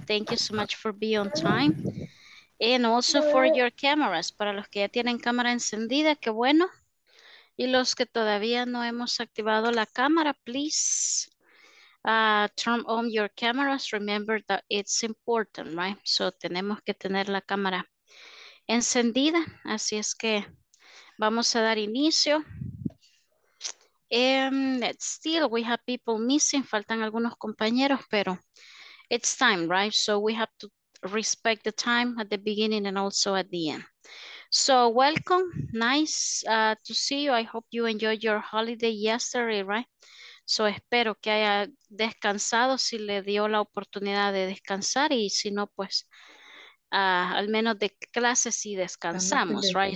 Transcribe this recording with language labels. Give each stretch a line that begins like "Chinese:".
English: Thank you so much for being on time. And also for your cameras.
Spanish: Para los que ya tienen cámara encendida, qué bueno. Y los que todavía no hemos activado la cámara,
English: please turn on your cameras. Remember that it's important, right? So
Spanish: tenemos que tener la cámara encendida. Así es que vamos a dar inicio.
English: Still, we have people missing.
Spanish: Faltan algunos compañeros, pero
English: it's time, right? So we have to respect the time at the beginning and also at the end. So welcome, nice to see you. I hope you enjoyed your holiday yesterday, right?
Spanish: So espero que haya descansado, si le dio la oportunidad de descansar y si no, pues al menos de clases sí descansamos, right?